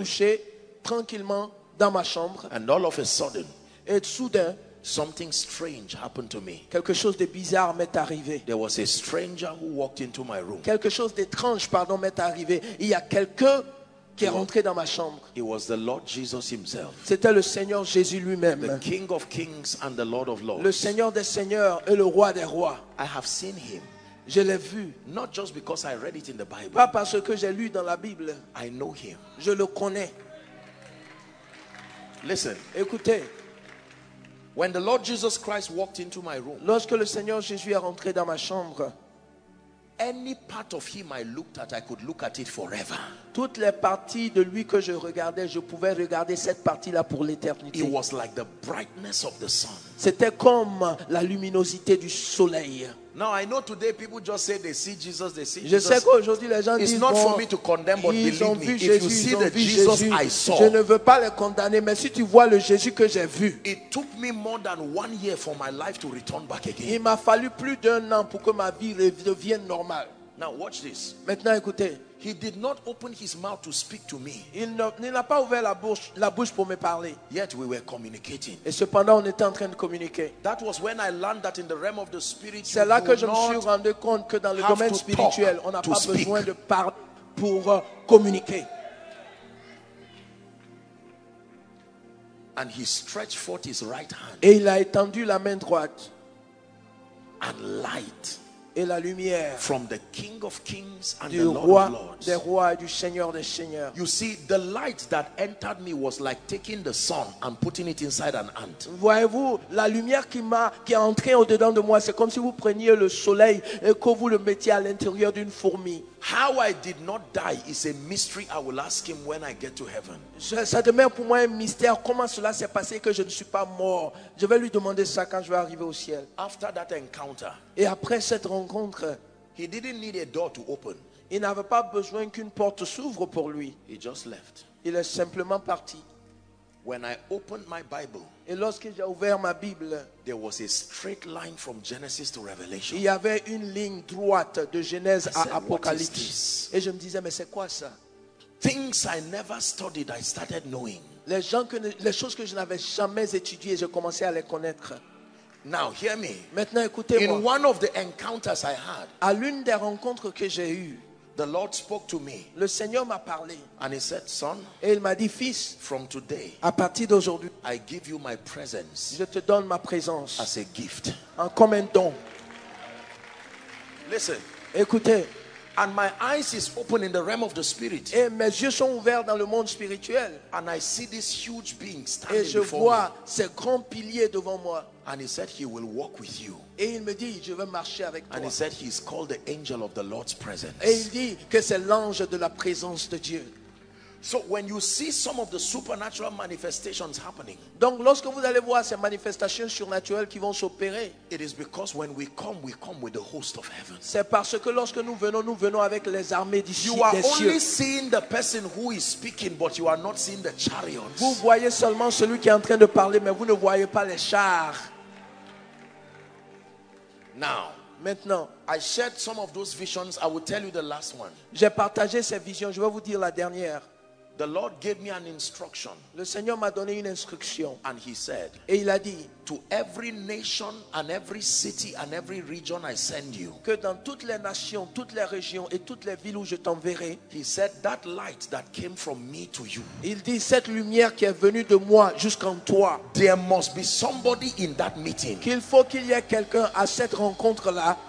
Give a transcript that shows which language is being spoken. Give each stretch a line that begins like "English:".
French: Couché tranquillement dans ma chambre.
English: And all of a sudden,
French: et soudain,
English: something strange happened to me.
French: Quelque chose de bizarre m'est arrivé.
English: There was a stranger who walked into my room.
French: Quelque chose d'étrange, pardon, m'est arrivé. Il y a quelqu'un qui est rentré dans ma chambre.
English: It was the Lord Jesus himself.
French: C'était le Seigneur Jésus lui-même.
English: The King of Kings and the Lord of Lords.
French: Le Seigneur des Seigneurs et le Roi des Rois.
English: I have seen him.
French: Je l'ai vu.
English: Not just because I read it in the Bible.
French: Pas parce que j'ai lu dans la Bible.
English: I know him.
French: Je le connais.
English: Listen.
French: Écoutez.
English: When the Lord Jesus Christ walked into my room,
French: lorsque le Seigneur Jésus est rentré dans ma chambre,
English: any part of him I looked at, I could look at it forever.
French: Toutes les parties de lui que je regardais, je pouvais regarder cette partie-là pour l'éternité.
English: It was like the brightness of the sun.
French: C'était comme la luminosité du soleil.
English: Now I know today people just say they see Jesus, they see
French: je
English: Jesus.
French: Je sais qu'aujourd'hui les gens
English: it's
French: disent
English: not
French: bon,
English: for me to condemn, but believe me,
French: ils ont vu
English: if
French: Jésus,
English: you see
French: ils ont
English: the
French: vu
English: Jesus
French: Jésus,
English: I saw.
French: Je ne veux pas les condamner, mais si tu vois le Jésus que j'ai vu.
English: It took me more than 1 year for my life to return back again.
French: Il m'a fallu plus d'un an pour que ma vie redevienne normale.
English: Now watch this.
French: Maintenant écoutez.
English: He did not open his mouth to speak to me.
French: Il n'a pas ouvert la bouche pour me parler.
English: Yet we were communicating.
French: Et cependant, on était en train de communiquer.
English: That was when I learned that in the realm of the spirit,
French: c'est là que je me suis rendu compte que dans le domaine spirituel, on n'a pas besoin de parler pour communiquer.
English: And he stretched forth his right hand.
French: Et il a étendu la main droite.
English: And light.
French: et la lumière.
English: From the King of Kings and the Lord of Lords.
French: Des rois et du Seigneur des Seigneurs.
English: You see, the light that entered me was like taking the sun and putting it inside an ant.
French: Voyez-vous, la lumière qui est entrée au-dedans de moi, c'est comme si vous preniez le soleil et que vous le mettiez à l'intérieur d'une fourmi.
English: How I did not die is a mystery I will ask him when I get to heaven.
French: Ça demeure pour moi un mystère. Comment cela s'est passé que je ne suis pas mort? Je vais lui demander ça quand je vais arriver au ciel.
English: After that encounter,
French: et après cette rencontre,
English: he didn't need a door to open.
French: Il n'avait pas besoin qu'une porte s'ouvre pour lui.
English: He just left.
French: Il est simplement parti.
English: When I opened my Bible,
French: et lorsque j'ai ouvert ma Bible,
English: there was a straight line from Genesis to Revelation.
French: Il y avait une ligne droite de Genèse à Apocalypse. Et je me disais, mais c'est quoi ça?
English: Things I never studied, I started knowing.
French: Les choses que je n'avais jamais étudiées, je commençais à les connaître.
English: Now hear me.
French: Maintenant écoutez-moi.
English: In one of the encounters I had,
French: à l'une des rencontres que j'ai eues,
English: the Lord spoke to me.
French: Le Seigneur m'a parlé.
English: And he said, son,
French: et il m'a dit, fils,
English: from today,
French: à partir d'aujourd'hui,
English: I give you my presence.
French: Je te donne ma présence
English: as a gift.
French: En comme un don.
English: Listen.
French: Écoutez.
English: And my eyes is open in the realm of the spirit.
French: Et mes yeux sont ouverts dans le monde spirituel.
English: And I see this huge being standing before me.
French: Et je vois ces grands piliers devant moi.
English: And he said he will walk with you.
French: Et il me dit, je vais marcher avec toi.
English: And he said he is called the angel of the Lord's presence.
French: Et il dit que c'est l'ange de la présence de Dieu.
English: So when you see some of the supernatural manifestations happening,
French: donc lorsque vous allez voir ces manifestations surnaturelles qui vont s'opérer,
English: it is because when we come with the host of heaven.
French: C'est parce que lorsque nous venons avec les armées des cieux.
English: You are only seeing the person who is speaking, but you are not seeing the chariots.
French: Vous voyez seulement celui qui est en train de parler, mais vous ne voyez pas les chars.
English: Now.
French: Maintenant,
English: I shared some of those visions. I will tell you the last one.
French: J'ai partagé ces visions. Je vais vous dire la dernière.
English: The Lord gave me an instruction.
French: Le Seigneur m'a donné une instruction.
English: And he said,
French: et il a dit,
English: to every nation and every city and every region I send you.
French: Que dans toutes les nations, toutes les régions et toutes les villes où je t'enverrai,
English: he said that light that came from me to you.
French: Il dit cette lumière qui est venue de moi jusqu'en toi.
English: There must be somebody in that meeting.
French: Qu'il faut qu'il y ait quelqu'un à cette rencontre là,